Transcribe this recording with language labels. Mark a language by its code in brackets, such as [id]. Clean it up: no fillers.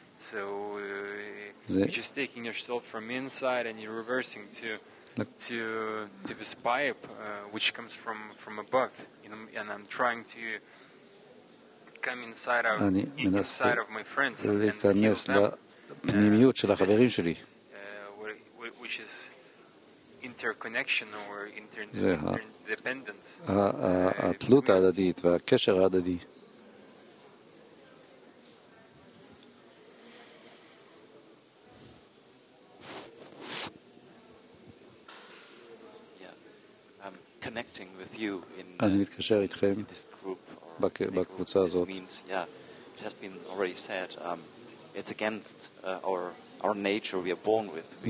[en] So you're just taking yourself from inside and you're reversing to this pipe which comes from above, you know, and I'm trying to come inside of inside of my friends and [he] להיכנס לפנימיות של החברים שלי. [en] Which is interconnection or interdependence. [he] התלות ההדדית והקשר ההדדי. [en] Connecting with you in [he] אני מתקשר איתכם בקבוצה הזאת. [en] Yeah, it has been already said it's against our nature we are born with.